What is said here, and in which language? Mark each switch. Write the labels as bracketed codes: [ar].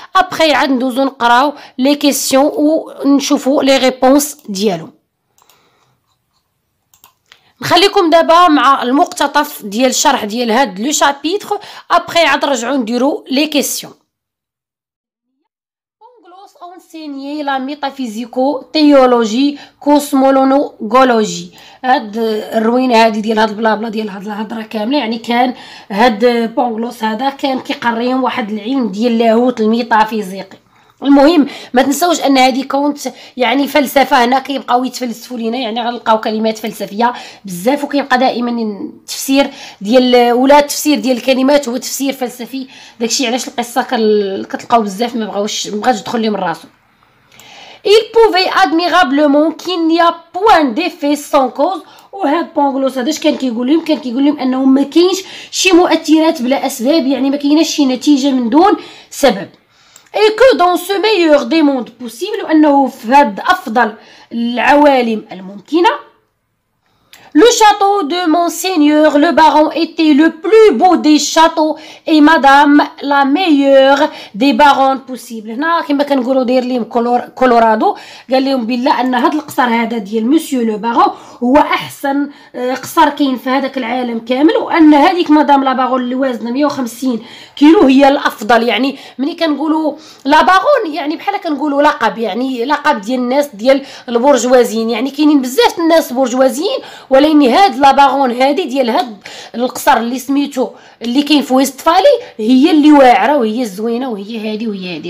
[ar] ابخي عاد ندوزو نقراو لي كيسيون ونشوفوا لي ريبونس ديالو. نخليكم دابا مع المقتطف ديال الشرح ديال هاد لو شابيتغ، ابخي عاد نرجعوا نديروا لي كيسيون. [fr] enseigner la métaphysico théologie كوسمولونوغولوجي. [ar] هاد الروينه هادي ديال هاد البلا بلا ديال هاد الهضره كامله، يعني كان هاد بونغلوس هذا كان كيقريهم واحد العلم ديال اللاهوت الميتافيزيقي. المهم ما تنساوش ان هادي كونت يعني فلسفه، هنا كيبقاو يتفلسفوا لينا، يعني غنلقاو كلمات فلسفيه بزاف، وكيبقى دائما التفسير ديال ولا التفسير ديال الكلمات هو تفسير فلسفي. داكشي علاش القصه كتلقاو بزاف ما بغاوش مابغاش تدخل لهم الراسو. [fr] Il pouvait admirablement qu'il n'y a point d'effet sans cause. [ar] وهاد بونغلوس هذا اش كان كيقول لهم؟ كان كيقول لهم انه ما كاينش شي مؤثرات بلا اسباب، يعني ما كايناش شي نتيجه من دون سبب. [fr] Et que dans ce meilleur des mondes possible, [ar] انه في هاد افضل العوالم الممكنه، [fr] le château de monseigneur le baron était le plus beau des châteaux et madame la meilleure des baronnes possible. [ar] هنا كما كنقولوا داير ليهم كولورادو، قال لهم بالله ان هاد القصر هذا ديال مسيو لو بارون هو احسن قصر كاين في هذاك العالم كامل، وان هذيك مدام لا بارون اللي وزنها 150 كيلو هي الافضل. يعني ملي كنقولوا لا بارون يعني بحال كنقولوا لقب، يعني لقب ديال الناس ديال البرجوازيين، يعني كاينين بزاف الناس برجوازيين، ولكن هاد لا بارون هادي ديال هاد القصر اللي سميتو اللي كاين في ويستفالي هي اللي واعره وهي الزوينه وهي هادي وهي هادي.